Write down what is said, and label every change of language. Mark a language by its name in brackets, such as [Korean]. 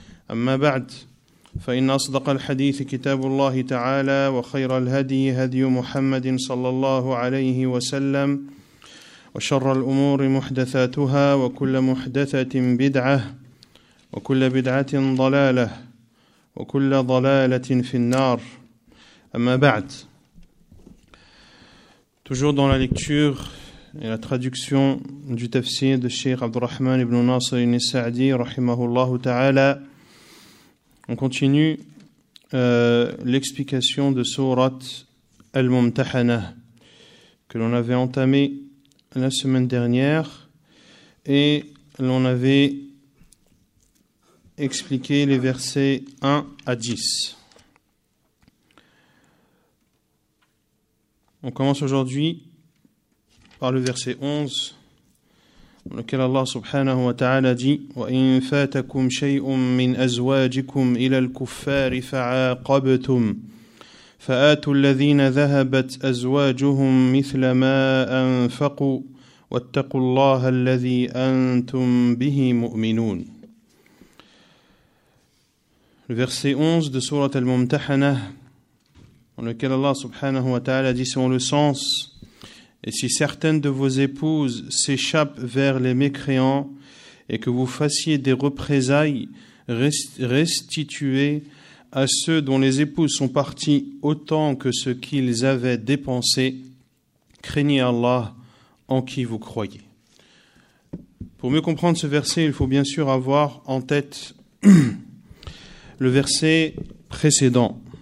[Arabic] أما بعد، فإن أصدق الحديث كتاب الله تعالى، وخير الهدي هدي محمد صلى الله عليه وسلم، وشر الأمور محدثاتها، وكل محدثة بدعة، وكل بدعة ضلالة، وكل ضلالة في النار. أما بعد. [French] Toujours dans la lecture et la traduction du tafsir de Cheikh Abdurrahman ibn Nasser ibn Sa'di, rahimahullah ta'ala. On continue l'explication de Sourat Al-Mumtahana que l'on avait entamée la semaine dernière, et l'on avait expliqué les versets 1 à 10. On commence aujourd'hui par le verset 11. [Arabic] لكن الله سبحانه وتعالى دي وإن فاتكم شيء من أزواجكم إلى الكفار فعاقبتم فآتوا الذين ذهبت أزواجهم مثل ما أنفقوا واتقوا الله الذي أنتم به مؤمنون. [French] Verset 11 de سورة الممتحنة. [Arabic] لكن الله سبحانه وتعالى دي [French] selon le sens. Et si certaines de vos épouses s'échappent vers les mécréants et que vous fassiez des représailles, restituez à ceux dont les épouses sont parties autant que ce qu'ils avaient dépensé. Craignez Allah en qui vous croyez. Pour mieux comprendre ce verset, il faut bien sûr avoir en tête le verset précédent.